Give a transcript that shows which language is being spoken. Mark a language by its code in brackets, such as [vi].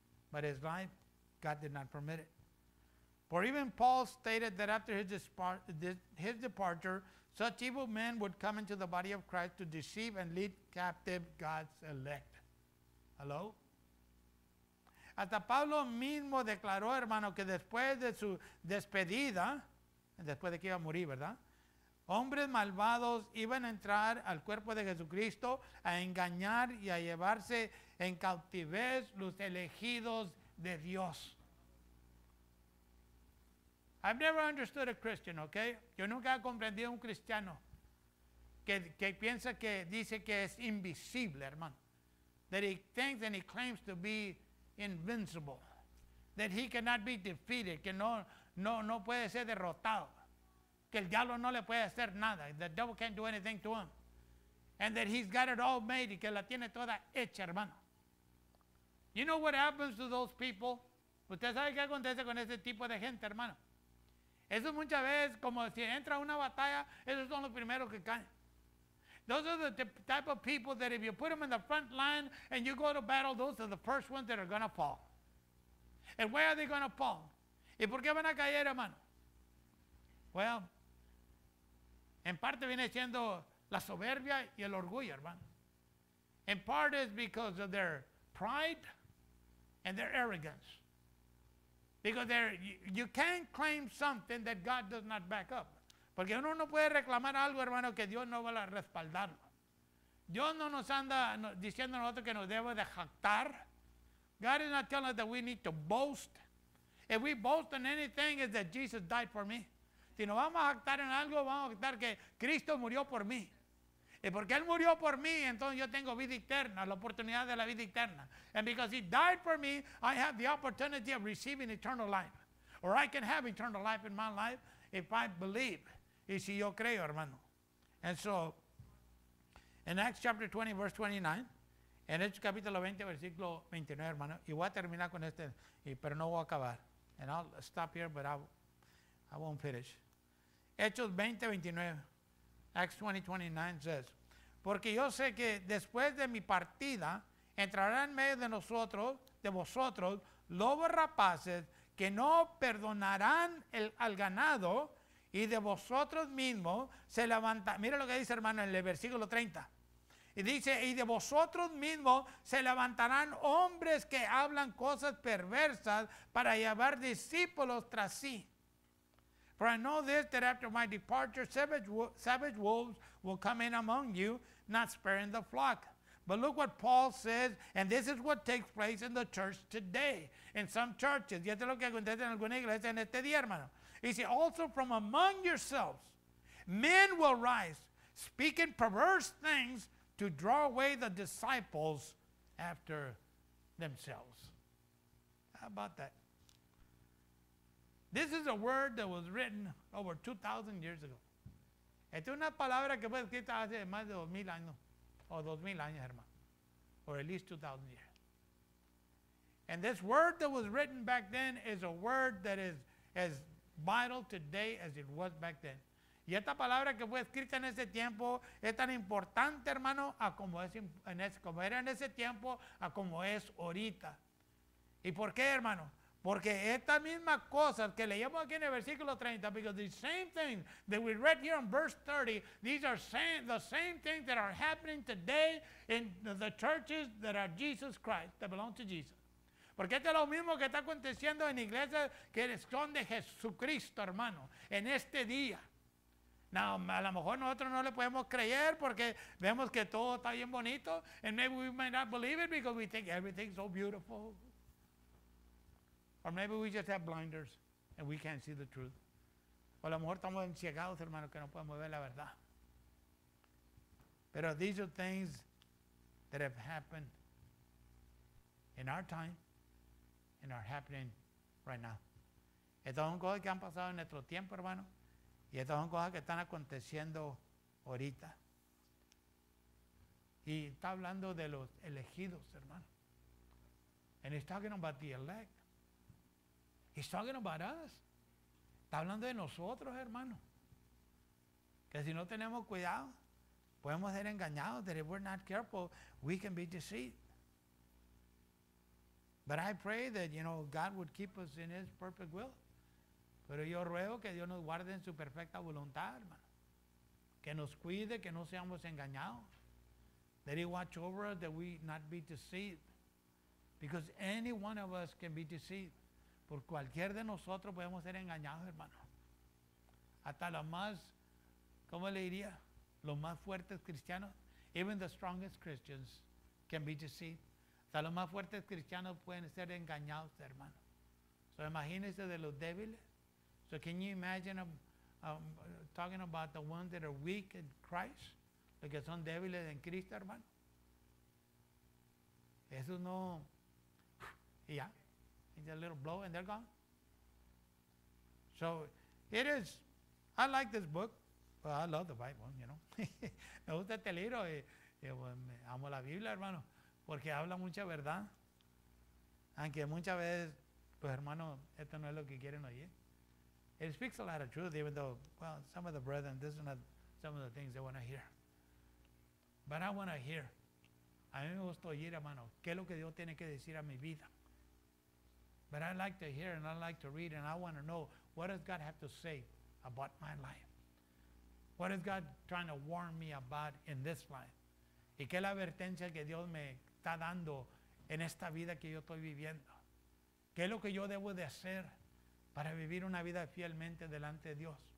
[en] But his life, God did not permit it. For even Paul stated that after his departure, such evil men would come into the body of Christ to deceive and lead captive God's elect. Hello? [es] Hasta Pablo mismo declaró, hermano, que después de su despedida, después de que iba a morir, ¿verdad? Hombres malvados iban a entrar al cuerpo de Jesucristo a engañar y a llevarse en cautivez los elegidos de Dios. [en] I've never understood a Christian, okay? [es] Yo nunca he comprendido a un cristiano que piensa que dice que es invisible, hermano. [en] That he thinks and he claims to be invincible, that he cannot be defeated, [es] que no puede ser derrotado. Que el diablo no le puede hacer nada. [en] The devil can't do anything to him. And that he's got it all made. [es] Y que la tiene toda hecha, hermano. [en] You know what happens to those people? [es] Usted sabe qué acontece con ese tipo de gente, hermano. Eso muchas veces, como si entra una batalla, esos son los primeros que caen. [en] Those are the type of people that if you put them in the front line and you go to battle, those are the first ones that are going to fall. And where are they going to fall? [es] ¿Y por qué van a caer, hermano? Well, en parte viene siendo la soberbia y el orgullo, hermano. [en] In part is because of their pride and their arrogance. Because you can't claim something that God does not back up. [es] Porque uno no puede reclamar algo, hermano, que Dios no va a respaldarlo. Dios no nos anda diciendo a nosotros que nos debe de jactar. [en] God is not telling us that we need to boast. If we boast in anything, it's that Jesus died for me. [es] Si nos vamos a jactar en algo, vamos a jactar que Cristo murió por mí. Y porque Él murió por mí, entonces yo tengo vida eterna, la oportunidad de la vida eterna. [en] And because He died for me, I have the opportunity of receiving eternal life. Or I can have eternal life in my life if I believe. [es] Y si yo creo, hermano. [en] And so, in Acts chapter 20, verse 29, [es] en Hechos capítulo 20, versículo 29, hermano, y voy a terminar con este, pero no voy a acabar. [en] And I'll stop here, but I won't finish. [es] Hechos 20, 29, [en] Acts 20, 29 says, [es] porque yo sé que después de mi partida, entrará en medio de nosotros, de vosotros, lobos rapaces, que no perdonarán al ganado, y de vosotros mismos se levanta, mira lo que dice hermano en el versículo 30. Y dice, y de vosotros mismos se levantarán hombres que hablan cosas perversas para llevar discípulos tras sí. [en] For I know this, that after my departure, savage wolves will come in among you, not sparing the flock. But look what Paul says, and this is what takes place in the church today, in some churches. [es] Y esto es lo que acontece en alguna iglesia en este día, hermano. [en] He said, also from among yourselves, men will rise, speaking perverse things to draw away the disciples after themselves. How about that? This is a word that was written over 2,000 years ago. [es] Esta es una palabra que fue escrita hace más de 2,000 años, o 2,000 años, hermano, [en] or at least 2,000 years. And this word that was written back then is a word that is as vital today as it was back then. [es] Y esta palabra que fue escrita en ese tiempo es tan importante, hermano, a como era en ese tiempo, a como es ahorita. ¿Y por qué, hermano? Porque esta misma cosa que leemos aquí en el versículo 30, [en] because the same thing that we read here in verse 30, these are the same things that are happening today in the churches that are Jesus Christ, that belong to Jesus. [es] Porque esto es lo mismo que está aconteciendo en iglesias que son de Jesucristo, hermano, en este día. Now, a lo mejor nosotros no le podemos creer porque vemos que todo está bien bonito. [en] And maybe we might not believe it because we think everything's so beautiful. Or maybe we just have blinders and we can't see the truth. [es] O a lo mejor estamos enciegados, hermano, que no podemos ver la verdad. [en] Pero these are things that have happened in our time. And are happening right now. [es] Estas son cosas que han pasado en nuestro tiempo, hermano. Y estas son cosas que están aconteciendo ahorita. Y está hablando de los elegidos, hermano. [en] And he's talking about the elect. He's talking about us. [es] Está hablando de nosotros, hermano. Que si no tenemos cuidado, podemos ser engañados. [en] That if we're not careful, we can be deceived. But I pray that, you know, God would keep us in His perfect will. [es] Pero yo ruego que Dios nos guarde en su perfecta voluntad, hermano. Que nos cuide, que no seamos engañados. [en] That He watch over us, that we not be deceived. Because any one of us can be deceived. [es] Por cualquier de nosotros podemos ser engañados, hermano. Hasta los más, ¿cómo le diría? Los más fuertes cristianos. [en] Even the strongest Christians can be deceived. [es] Hasta los más fuertes cristianos pueden ser engañados, hermano. So imagínense de los débiles. [en] So can you imagine talking about the ones that are weak in Christ? [es] Los que son débiles en Cristo, hermano. Eso no. [en] Yeah. It's a little blow and they're gone. So it is, I like this book. Well, I love the Bible, you know. [es] Me gusta este libro. Amo la Biblia, hermano, porque habla mucha verdad. Aunque muchas veces, pues, hermano, esto no es lo que quieren oír. [en] It speaks a lot of truth, even though, well, some of the brethren, this is not some of the things they want to hear. But I want to hear. [es] A mí me gusta oír, hermano, qué es lo que Dios tiene que decir a mi vida. [en] But I like to hear and I like to read and I want to know, what does God have to say about my life? What is God trying to warn me about in this life? [es] ¿Y qué es la advertencia que Dios me está dando en esta vida que yo estoy viviendo? ¿Qué es lo que yo debo de hacer para vivir una vida fielmente delante de Dios?